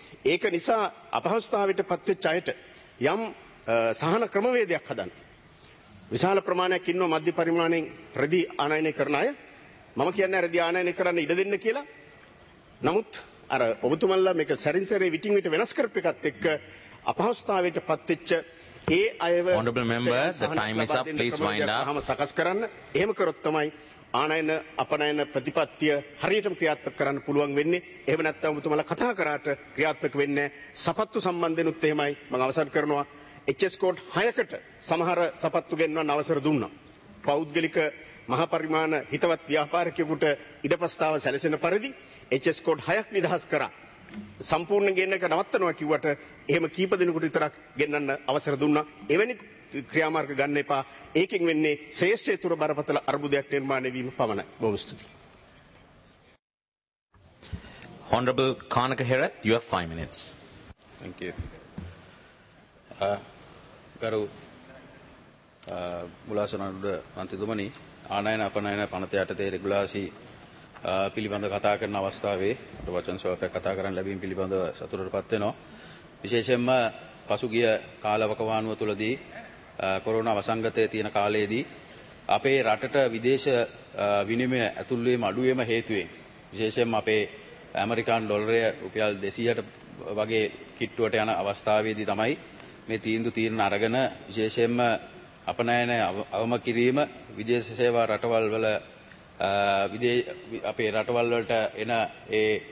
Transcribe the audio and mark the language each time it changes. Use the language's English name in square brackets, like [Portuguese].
[Sinhala] ඒක නිසා අපහසුතාවයට පත්වෙච්ච අයට යම් සහන ක්‍රමවේදයක් හදන්න. විශාල ප්‍රමාණයක් ඉන්නව මධ්‍ය පරිමාණයෙන් රෙදි ආනයනය කරන අය. මම කියන්නේ රෙදි ආනයනය කරන්න ඉඩ දෙන්න කියලා. නමුත් අර ඔබතුමල්ලා මේක සැරින් සැරේ විටින් විට වෙනස් කරපු එකත් එක්ක අපහසුතාවයට පත්වෙච්ච ඒ අයව [English] honorable member the time is up please wind up [Sinhala] හම සකස් කරන්න. එහෙම කරොත් තමයි ආනයන අපනයන ප්‍රතිපත්තිය හරියටම ක්‍රියාත්මක කරන්න පුළුවන් වෙන්නේ. එහෙම නැත්නම් ඔබතුමලා කතා කරාට ක්‍රියාත්මක වෙන්නේ නැහැ. සපත්තු සම්බන්ධෙනුත් එහෙමයි. මම අවසන් කරනවා. HS කෝඩ් 6කට සමහර සපත්තු ගෙන්වන්න අවසර දුන්නා. පෞද්ගලික මහා පරිමාණ හිතවත් ව්‍යාපාරිකයෙකුට ඉඩපස්තාව සැලසෙන පරිදි HS කෝඩ් 6ක් නිදහස් කරා. සම්පූර්ණ ගෙන්න එක නවත්තනවා කිව්වට එහෙම කීප දිනකට විතරක් ගෙන්නන්න අවසර දුන්නා. එවැනි ක්‍රියාමාර්ග ගන්න එපා. ඒකෙන් වෙන්නේ ශේෂ්ඨ ඊතර බරපතල අර්බුදයක් නිර්මාණය වීම පමණයි. බොහොම ස්තුතියි. [English] Honorable Kanaka Herath, you have 5 minutes. Thank you. [Sinhala] ගරු මුලාසන අනුර මන්ත්‍රීතුමනි, ආනයන අපනයන පනත යටතේ රෙගුලාසි පිළිබඳව කතා කරන අවස්ථාවේ අපට වචන සුවපයක් කතා කරන්න ලැබීම පිළිබඳව සතුටටපත් වෙනවා. විශේෂයෙන්ම පසුගිය කාලවකවානුව තුළදී කොරෝනා වසංගතයේ තියෙන කාලයේදී අපේ රටට විදේශ විනිමය ඇතුල් වීම අඩු වීම හේතුවෙන් විශේෂයෙන්ම අපේ ඇමරිකාන් ඩොලරය රුපියල් 200ට වගේ කිට්ටුවට යන අවස්ථාවේදී තමයි මේ තීන්දුව తీරන අරගෙන විශේෂයෙන්ම අපනයන අවම කිරීම විදේශ සේවා රටවල් වල අපේ රටවල් වලට එන ඒ